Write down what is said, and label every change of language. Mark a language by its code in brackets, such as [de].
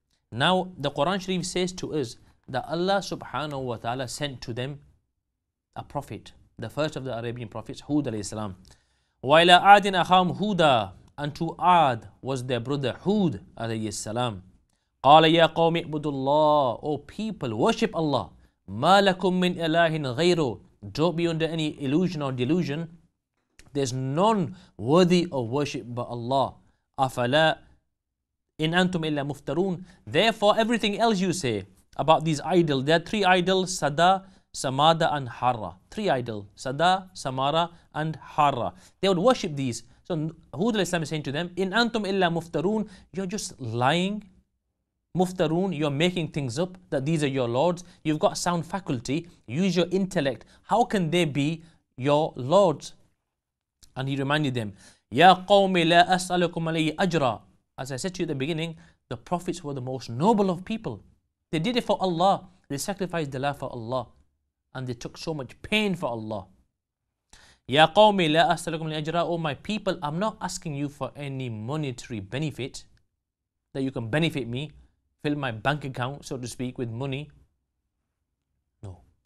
[en] Now, the Quran Sharif says to us that Allah subhanahu wa ta'ala sent to them a prophet, the first of the Arabian prophets, Hud alayhi salam. [ar] وَإِلَىٰ عَادٍ أَخَامْ هُودًا, [en] and to Ad was their brother Hud alayhi salam. [ar] قَالَ يَا قَوْمِ اِعْبُدُ اللَّهِ, [en] O people, worship Allah. [ar] مَا لَكُمْ مِنْ إِلَٰهٍ غَيْرُ, [en] don't be under any illusion or delusion. There's none worthy of worship but Allah. [ar] أَفَلَا إِنْ أَنْتُمْ إِلَّا مُفْتَرُونَ, [en] therefore everything else you say about these idols, there are three idols, Sada, Samada and Harra. Three idols, Sada, Samara and Harra. They would worship these. So Hud alayhi salam is saying to them, [ar] إِنْ أَنْتُمْ إِلَّا مُفْتَرُونَ, [en] you're just lying. Muftaroon, you're making things up that these are your lords. You've got sound faculty. Use your intellect. How can they be your lords? And he reminded them, [ar] يَا قَوْمِ لَا أَسْأَلُكُمْ عَلَيْهِ أَجْرًا. [en] As I said to you at the beginning, the prophets were the most noble of people. They did it for Allah. They sacrificed the life for Allah. And they took so much pain for Allah. [ar] يَا قَوْمِ لَا أَسْأَلُكُمْ عَلَيْهِ أَجْرًا. [en] Oh my people, I'm not asking you for any monetary benefit, that you can benefit me, fill my bank account, so to speak, with money. No.